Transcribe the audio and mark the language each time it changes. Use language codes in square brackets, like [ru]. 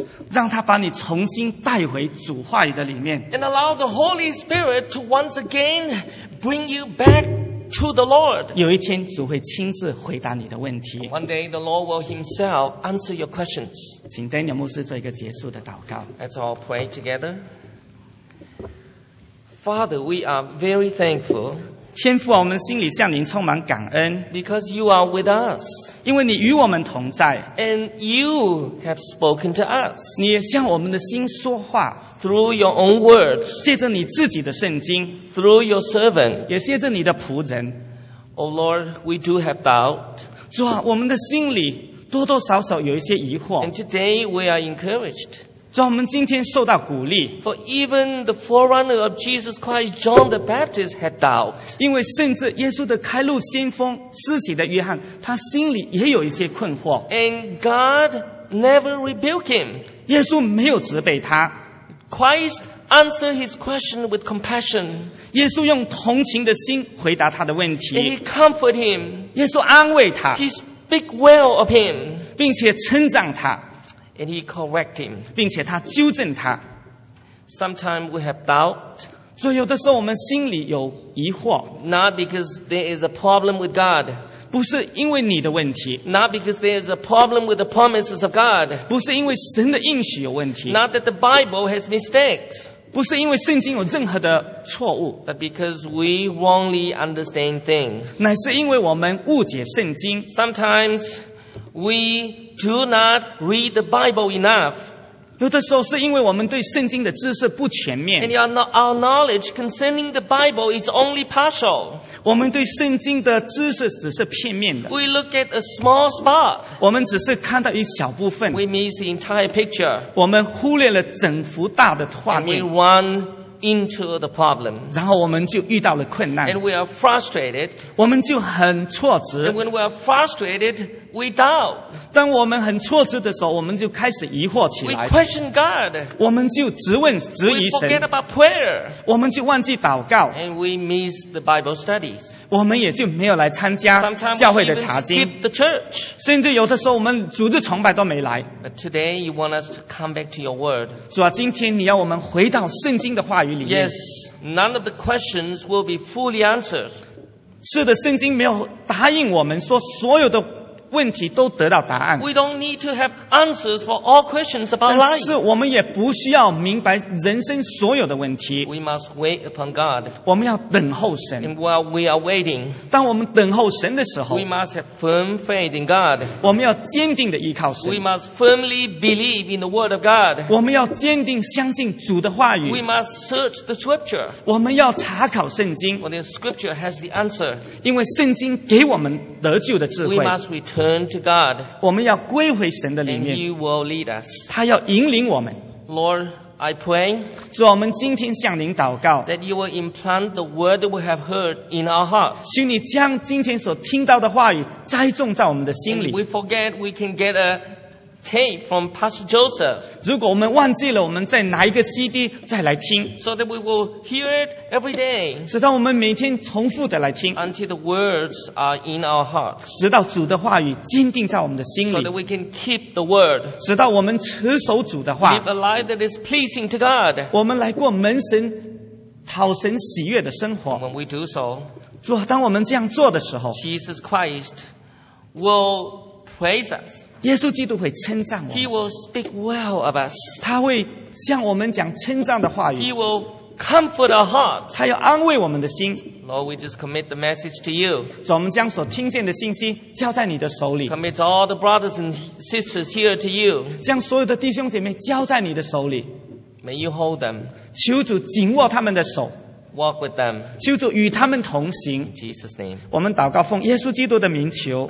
[zh] 让他把你重新带回主话语的里面。 [en] And allow the Holy Spirit to once again bring you back to the Lord. [zh] 有一天主会亲自回答你的问题。 [en] One day the Lord will himself answer your questions. [zh] 请 Daniel 牧师做一个结束的祷告。 [en] Let's all pray together. Father, we are very thankful. [zh] 天父，我们心里向您充满感恩。 [en] Because you are with us. [zh] 因为你与我们同在。 [en] And you have spoken to us. [zh] 你也向我们的心说话。 [en] Through your own words. [zh] 借着你自己的圣经。 [en] Through your servant. [zh] 也借着你的仆人。 [en] Oh Lord, we do have doubt. [zh] 主啊，我们的心里多多少少有一些疑惑。 [en] And today we are encouraged. [zh] 主，我们今天受到鼓励。 [en] For even the forerunner of Jesus Christ, John the Baptist had doubt. [zh] 因为甚至耶稣的开路先锋施洗的约翰，他心里也有一些困惑。 [en] And God never rebuked him. [zh] 耶稣没有责备他。 [en] Christ answered his question with compassion. [zh] 耶稣用同情的心回答他的问题。 [en] And he comforted him. [zh] 耶稣安慰他。 [en] He speak well of him. [zh] 并且称赞他。 [en] And he correct him. [zh] 并且他纠正他。 [en] Sometimes we have doubt. [zh] 所以有的时候我们心里有疑惑。 [en] Not because there is a problem with God. [zh] 不是因为你的问题。 [en] Not because there is a problem with the promises of God. [zh] 不是因为神的应许有问题。 [en] Not that the Bible has mistakes. [zh] 不是因为圣经有任何的错误。 [en] But because we wrongly understand things. [zh] 乃是因为我们误解圣经。 [en] Sometimes we... Do not read the Bible enough. [zh] 有的时候是因为我们对圣经的知识不全面。 [en] And our knowledge concerning the Bible is only partial. [zh] 我们对圣经的知识只是片面的。 [en] We look at a small spot. [zh] 我们只是看到一小部分。 [en] We miss the entire picture. [zh] 我们忽略了整幅大的画面。 [en] And we run into the problem. [zh] 然后我们就遇到了困难。 [en] And we are frustrated. [zh] 我们就很挫折。 [en] And when we are frustrated, We doubt. [zh] 当我们很挫折的时候，我们就开始疑惑起来。 [en] We question God. [zh] 我们就质问、质疑神。 [en] We forget about prayer. [zh] 我们就忘记祷告。 [en] And we miss the Bible studies. [zh] 我们也就没有来参加教会的查经。 [en] Sometimes we even skip the church. [zh] 甚至有的时候，我们组织崇拜都没来。 [en] But today you want us to come back to your word. [zh] 主啊，今天你要我们回到圣经的话语里面。 [en] Yes, none of the questions will be fully answered. [zh] 是的，圣经没有答应我们说所有的问题都得到答案。 [en] We don't need to have answers for all questions about life. [zh] 但是我们也不需要明白人生所有的问题。 [en] We must wait upon God. [zh] 我们要等候神。 [en] And while we are waiting, [zh] 当我们等候神的时候， [en] we must have firm faith in God. [zh] 我们要坚定地依靠神。 [en] We must firmly believe in the word of God. [zh] 我们要坚定相信主的话语。 [en] We must search the scripture. [zh] 我们要查考圣经。 [en] For the scripture has the answer. [zh] 因为圣经给我们得救的智慧。 [en] We must return. Turn to God. [zh] 我们要归回神的里面。 [en] And you will lead us. [zh] 他要引领我们。 [en] Lord, I pray. [zh] 主，我们今天向您祷告。 [en] That you will implant the word we have heard in our hearts. [zh] 请你将今天所听到的话语栽种在我们的心里。 [en] And we forget we can get a tape from Pastor Joseph. [zh] 如果我们忘记了，我们再拿一个 CD 再来听。 [en] So that we will hear it every day. [zh] 直到我们每天重复的来听。 [en] Until the words are in our hearts. [zh] 直到主的话语坚定在我们的心里。 [en] So that we can keep the word. [zh] 直到我们持守主的话。 [en] Live a life that is pleasing to God. [zh] 我们来过门神讨神喜悦的生活。 [en] When we do so, [zh] 主，当我们这样做的时候， [en] Jesus Christ will praise us. [zh] 耶稣基督会称赞我们。 [en] He will speak well of us. [zh] 他会向我们讲称赞的话语。 [en] He will comfort our hearts. [zh] 他要安慰我们的心。 [en] Lord, we just commit the message to you. [zh] 我们将所听见的信息交在你的手里。 [en] Commit all the brothers and sisters here to you. [zh] 将所有的弟兄姐妹交在你的手里。 [en] May you hold them. [zh] 求主紧握他们的手。 [en] Walk with them. [zh] 求主与他们同行。 [en] In Jesus' name. [zh] 我们祷告奉耶稣基督的名求。